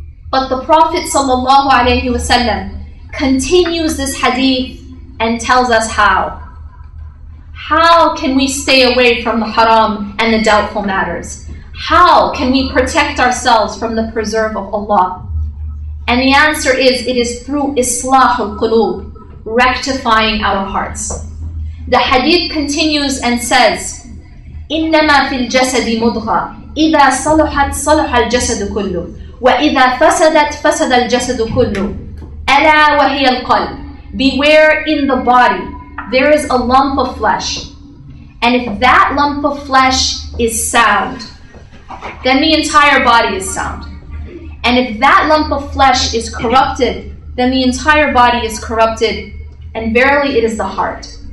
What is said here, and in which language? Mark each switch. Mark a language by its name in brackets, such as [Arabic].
[English] But the Prophet ﷺ continues this hadith and tells us how. How can we stay away from the haram and the doubtful matters? How can we protect ourselves from the preserve of Allah? And the answer is, it is through islah al-qulub, rectifying our hearts. The hadith continues and says, [Arabic] إِنَّمَا فِي الْجَسَدِ مُضْغَى إِذَا صَلُحَتْ صَلُحَ الْجَسَدُ كُلُّ وَإِذَا فَسَدَتْ فَسَدَ الْجَسَدُ كُلُّ أَلَا وَهِيَ الْقَلْبِ. [English] Beware, in the body there is a lump of flesh, and if that lump of flesh is sound, then the entire body is sound. And if that lump of flesh is corrupted, then the entire body is corrupted, and verily it is the heart.